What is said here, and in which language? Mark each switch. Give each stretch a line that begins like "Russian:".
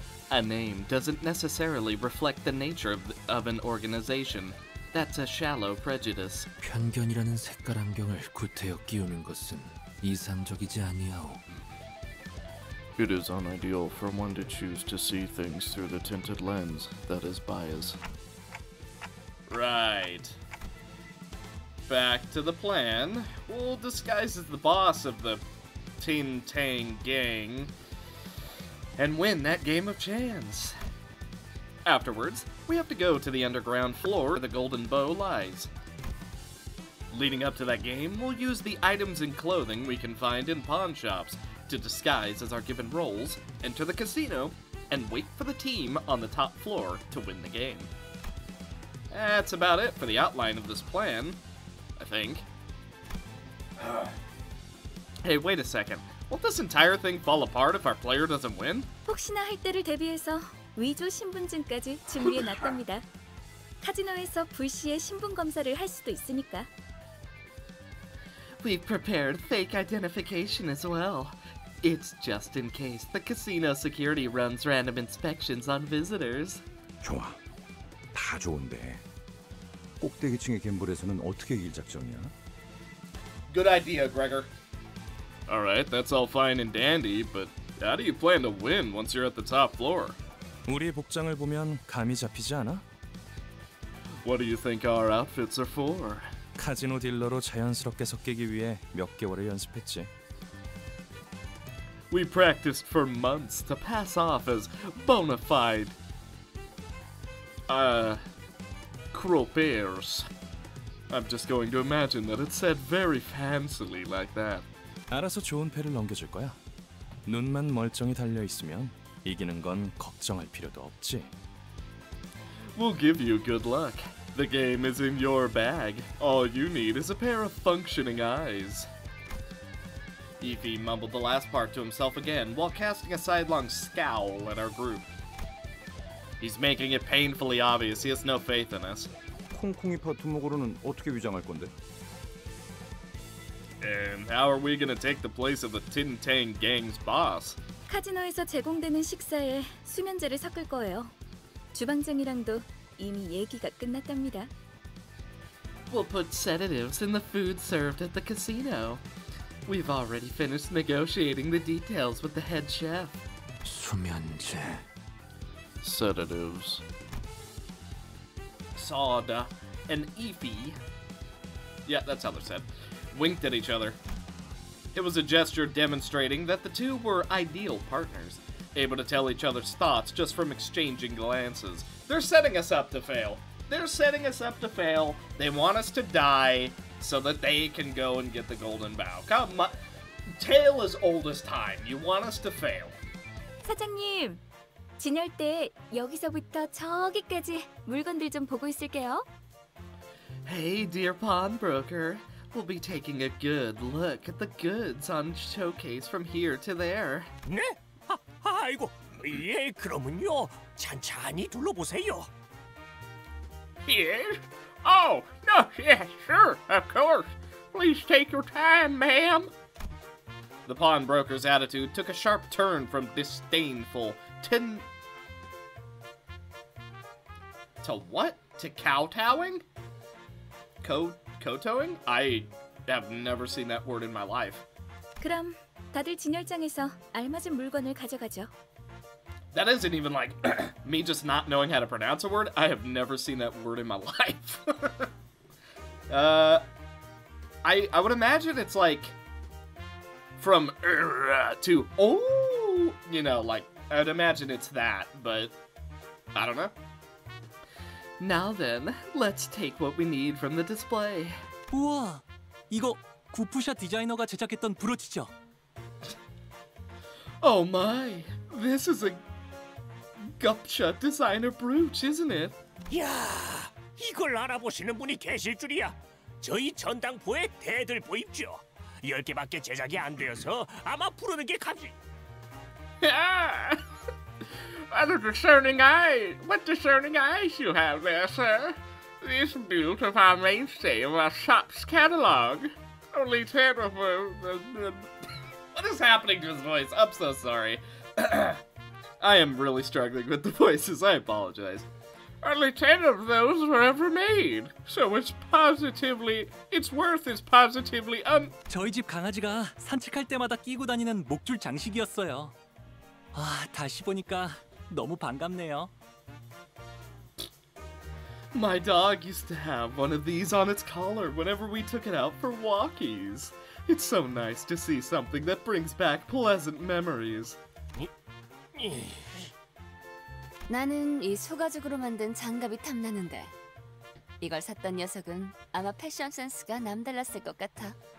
English: A name doesn't necessarily reflect the nature of an organization. That's a shallow prejudice.
Korean: 편견이라는 색깔 안경을 구태여 끼우는 것은 이상적이지 아니하오.
English: It is unideal for one to choose to see things through the tinted lens that is bias. Right. Back to the plan. We'll disguise as the boss of the Tin Tang Gang and win that game of chance. Afterwards, we have to go to the underground floor where the golden bow lies. Leading up to that game, we'll use the items and clothing we can find in pawn shops to disguise as our given roles, enter the casino, and wait for the team on the top floor to win the game. That's about it for the outline of this plan, I think. Hey, wait a second. Won't this entire thing fall apart if our player doesn't win?
Korean: 혹시나 할 때를 대비해서 위조 신분증까지 준비해 놨답니다. 카지노에서 불시에 신분 검사를 할 수도 있으니까.
English: We've prepared fake identification as well. It's just in case the casino security runs random inspections on visitors.
Korean: 좋아. 다 좋은데. 꼭대기층의 갬블에서는 어떻게 이길 작정이야?
English: Good idea, Gregor. Alright, that's all fine and dandy, but how do you plan to win once you're at the top floor?
Korean: 우리 복장을 보면 감이 잡히지 않아?
English: What do you think our outfits are for?
Korean: 카지노 딜러로 자연스럽게 섞이기 위해 몇 개월을 연습했지.
English: We practiced for months to pass off as bona fide... croupiers. I'm just going to imagine that it's said very fancily like that.
Korean: 알아서 좋은 패를 넘겨줄 거야. 눈만 멀쩡히 달려 있으면 이기는 건 걱정할 필요도 없지.
English: We'll give you good luck. The game is in your bag. All you need is a pair of functioning eyes. Evie mumbled the last part to himself again while casting a sidelong scowl at our group. He's making it painfully obvious he has no faith in us.
Korean: 콩콩이 파트목으로는 어떻게 위장할 건데?
English: And how are we going to take the place of the Tin Tang Gang's boss?
Korean: 카지노에서 제공되는 식사에 수면제를 섞을 거예요. 주방장이랑도 이미 얘기가 끝났답니다.
English: We'll put sedatives in the food served at the casino. We've already finished negotiating the details with the head chef.
Korean: 수면제...
English: sedatives... Sawed and Ify. Yeah, that's how they're said. Winked at each other. It was a gesture demonstrating that the two were ideal partners, able to tell each other's thoughts just from exchanging glances. They're setting us up to fail. They're setting us up to fail. They want us to die so that they can go and get the golden bough. Come on. Tale as old as time. You want us to fail.
Korean: 사장님, 진열대 여기서부터 저기까지 물건들 좀 보고 있을게요.
English: Hey, dear pawnbroker. We'll be taking a good look at the goods on showcase from here to there.
Korean: 네? 아이고, 예, 그러면요. 천천히 둘러보세요.
English: Here? Oh, no, yes, sure, of course. Please take your time, ma'am. The pawnbroker's attitude took a sharp turn from disdainful to... to what? To kowtowing? Kowtowing? I have never seen that word in my life.
Korean: 그럼 다들 진열장에서 알맞은 물건을 가져가죠.
English: That isn't even like me just not knowing how to pronounce a word. I have never seen that word in my life. I would imagine it's like from to oh, you know, like I'd imagine it's that, but I don't know. Now then, let's take what we need from the display.
Korean: 우와, 이거 구프샤 디자이너가 제작했던 브로치죠?
English: Oh my, this is a gupcha designer brooch, isn't it?
Korean: 이야, 이걸 알아보시는 분이 계실 줄이야. 저희 전당포의 대들보 입죠. 열 개밖에 제작이 안 되어서 아마 부르는 게 갑이.
English: What a discerning eye! What discerning eyes you have there, sir! This built of our mainstay of our shop's catalog. Only 10 of What is happening to his voice? I'm so sorry. I am really struggling with the voices, I apologize. Only 10 of those were ever made. So it's positively... its worth is positively un...
Korean: 저희 집 강아지가 산책할 때마다 끼고 다니는 목줄 장식이었어요. 아, 다시 보니까... 너무 반갑네요.
English: My dog used to have one of these on its collar whenever we took it out for walkies. It's so nice to see something that brings back pleasant memories.
Korean: 나는 이 소가죽으로 만든 장갑이 탐나는데. 이걸 샀던 녀석은 아마 패션 센스가 남달랐을 것 같아.